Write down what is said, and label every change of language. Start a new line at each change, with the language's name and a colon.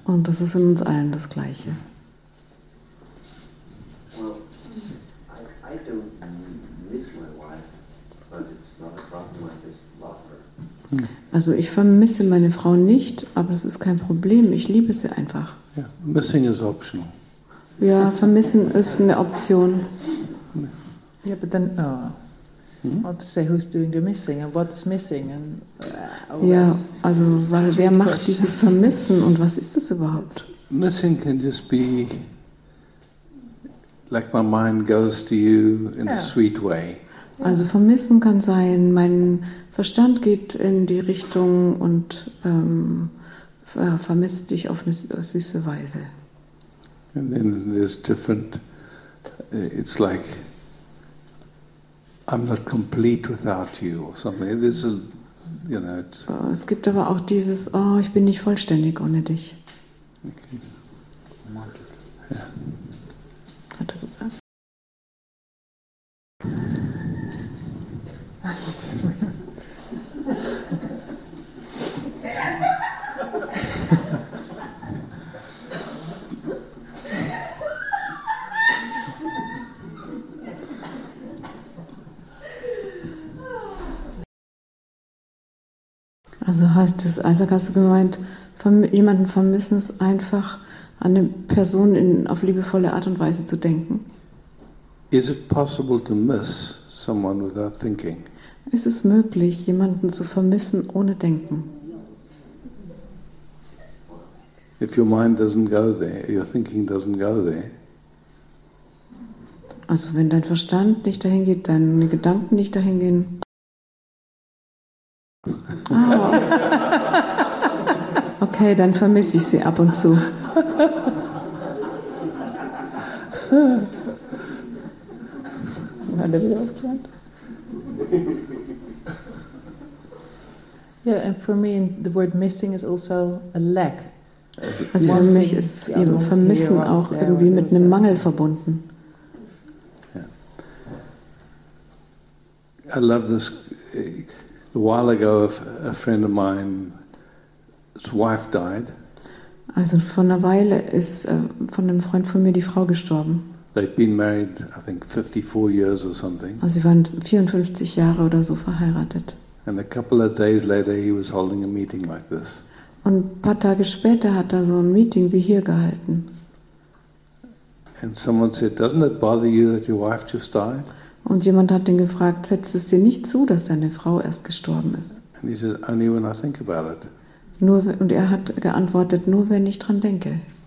German: Und das ist in uns allen das Gleiche.
English: Well, I don't miss my wife, but it's not a problem. I just love her.
German: Also ich vermisse meine Frau nicht, aber es ist kein Problem. Ich liebe sie einfach.
English: Yeah, missing is optional.
German: Ja, vermissen ist eine Option.
English: Yeah, but then. Oh. Hmm? Want to say who's doing the missing and what is missing and
German: yeah, also weil wer macht dieses Vermissen und was ist das überhaupt?
English: Missing can just be like my mind goes to you in a sweet way.
German: Also vermissen kann sein, mein Verstand geht in die Richtung und vermisst dich auf eine süße Weise.
English: And then there's different. It's like I'm not complete without you or something. This is, you know, it's.
German: Es gibt aber auch dieses, oh, ich bin nicht vollständig ohne dich. Okay. Hat er gesagt? Also heißt es, Isaac, hast du gemeint, jemanden vermissen ist einfach, an eine Person auf liebevolle Art und Weise zu denken?
English: Is it possible to miss someone without thinking?
German: Ist es möglich, jemanden zu vermissen ohne denken?
English: If your mind doesn't go there, your thinking doesn't go there.
German: Also wenn dein Verstand nicht dahin geht, deine Gedanken nicht dahin gehen. Oh. Okay, dann vermisse ich sie ab und zu. Hat er wieder was gelernt?
English: Yeah, and for me the word missing is also a lack.
German: Also für mich ist eben Vermissen auch irgendwie mit einem Mangel verbunden.
English: I love this. A while ago, a friend of mine's wife died.
German: Also, vor einer Weile ist von einem Freund von mir die Frau gestorben.
English: They'd been married, I think, 54 years or something.
German: Also, sie waren 54 Jahre oder so verheiratet.
English: And a couple of days later, he was holding a meeting like this.
German: Und ein paar Tage später hat er so ein Meeting wie hier gehalten.
English: And someone said, "Doesn't it bother you that your wife just died?"
German: Und jemand hat ihn gefragt, setzt es dir nicht zu, dass deine Frau erst gestorben ist?
English: And he said, "Only when I think about it."
German: Nur, und er hat geantwortet, nur wenn ich dran denke.